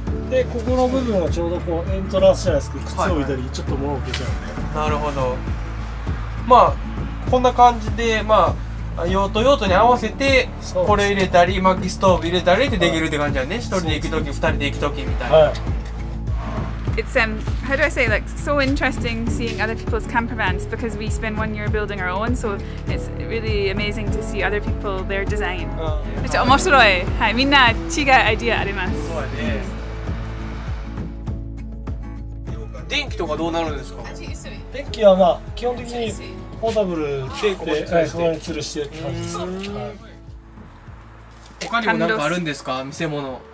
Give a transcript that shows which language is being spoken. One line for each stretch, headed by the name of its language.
Japanese: で、ここの部分はちょうどこうエントランスじゃないですか。靴を置いたり、はいはい、ちょっと物を置けちゃうんで。なるほど。まあ、こんな感じで、まあ用途用途に合わせてこれ入れたり薪ストーブ入れたりってできるって感じだね。一人で行くとき、二人で行くときみたいな。
English: It's how do I say, like, so interesting seeing other people's camper vans, because we spend 1 year building our own, so it's really amazing to see other people their design.
Japanese: めっちゃ面白い。はい、みんな違うアイディアあります。そうね。電気とかどうなるんですか。電気はまあ基本的にポータブルで、はい、そこに吊るしてる感じ。他にも何かあるんですか、見せ物。